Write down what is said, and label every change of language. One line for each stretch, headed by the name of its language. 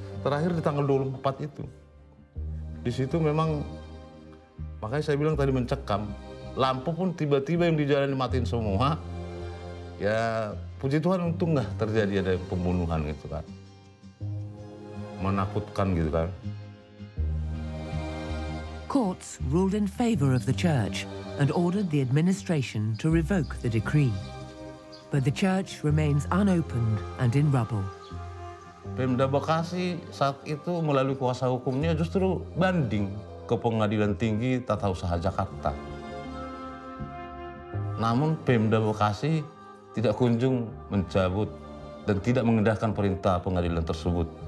Indonesian: Terakhir di tanggal 24 itu. Di situ memang, makanya saya bilang tadi mencekam. Lampu pun tiba-tiba yang di jalan dimatiin semua. Ya puji Tuhan untung nggak terjadi ada pembunuhan gitu kan. Menakutkan gitu kan.
English: Courts ruled in favor of the church and ordered the administration to revoke the decree. But the church remains unopened and in rubble.
Indonesian: Pemda Bekasi saat itu melalui kuasa hukumnya justru banding ke Pengadilan Tinggi Tata Usaha Jakarta. Namun Pemda Bekasi tidak kunjung mencabut dan tidak mengindahkan perintah pengadilan tersebut.